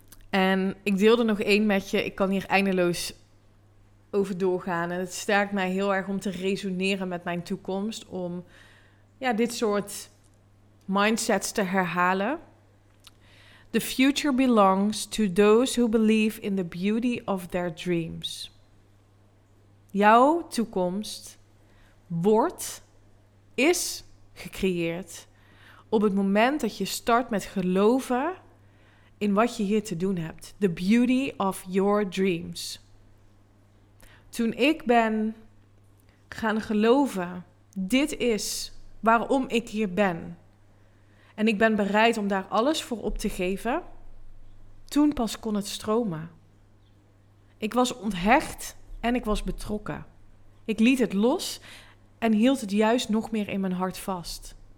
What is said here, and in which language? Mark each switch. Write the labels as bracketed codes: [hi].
[nl] En ik deel er nog één met je, ik kan hier eindeloos over doorgaan en het sterkt mij heel erg om te resoneren met mijn toekomst, om ja, dit soort mindsets te herhalen. [en] The future belongs to those who believe in the beauty of their dreams. [nl] Jouw toekomst is gecreëerd op het moment dat je start met geloven in wat je hier te doen hebt. [en] The beauty of your dreams. [nl] Toen ik ben gaan geloven, dit is waarom ik hier ben. En ik ben bereid om daar alles voor op te geven. Toen pas kon het stromen. Ik was onthecht en ik was betrokken. Ik liet het los en hield het juist nog meer in mijn hart vast.